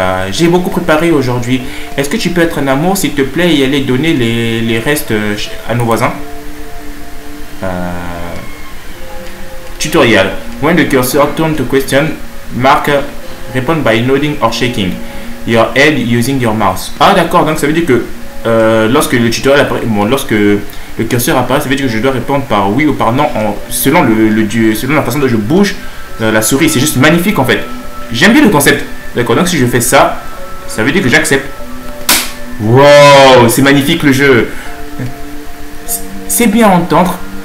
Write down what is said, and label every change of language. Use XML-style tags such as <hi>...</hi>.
<fr>J'ai beaucoup préparé aujourd'hui. Est-ce que tu peux être un amour, s'il te plaît, et aller donner les restes à nos voisins?</fr> <en>Tutorial. When the cursor turns to question, mark respond by nodding or shaking your head using your mouse.</en> <fr>Ah d'accord, donc ça veut dire que lorsque le curseur apparaît, ça veut dire que je dois répondre par oui ou par non selon la façon dont je bouge la souris. C'est juste magnifique en fait. J'aime bien le concept. D'accord, donc si je fais ça, ça veut dire que j'accepte. Wow, c'est magnifique le jeu. C'est bien à entendre.</fr>